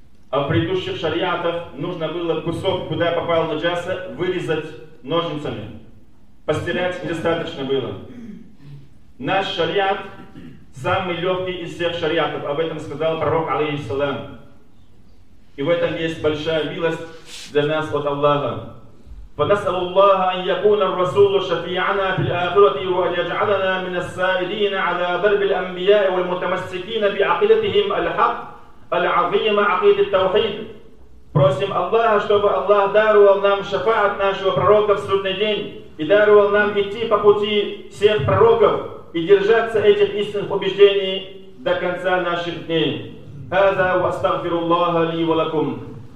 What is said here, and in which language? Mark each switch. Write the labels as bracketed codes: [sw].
[ru] А в предыдущих шариатах нужно было кусок, куда попала наджаса, вырезать ножницами. Постирать недостаточно было. Наш шариат самый легкий из всех шариатов. Об этом сказал пророк, алейхиссалям. И в этом есть большая милость для нас от Аллаха. [ar] فنسأل الله أن يكون الرسول شفيعنا في الآخرة وأن يجعلنا من السائلين على درب الأنبياء والمتمسكين بعقيدتهم الحق العظيم عقيدة التوحيد. [ru] Просим Аллаха, чтобы Аллах даровал нам шафаат нашего пророка в судный день и даровал нам идти по пути всех пророков и держаться этих истинных убеждений до конца наших дней. [ar] هذا وأستغفر الله لي ولكم.